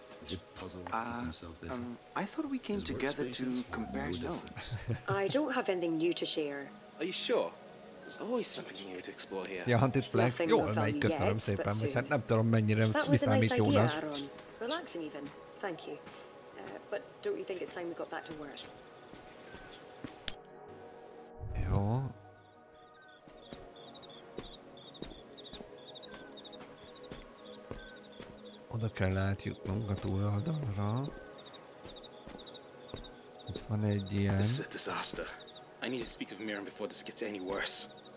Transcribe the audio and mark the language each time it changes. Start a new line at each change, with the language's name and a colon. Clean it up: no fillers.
English: bit puzzled with himself this. I thought we came together to compare notes. I don't have anything new to share. Are you sure? There's always something new to explore here.
Hungarian: Szia, Hunted Flex. Jól megy, köszönöm szépen. Hát nem tudom, mennyire viszámít jónak.
English: Relaxing even. Thank you. But don't you think it's time we got back to work?
Hungarian: Jó. Oda kell átjutnunk a túloldalra. Itt van egy ilyen.
English: This is a disaster. I need to speak with Miriam before this gets any worse.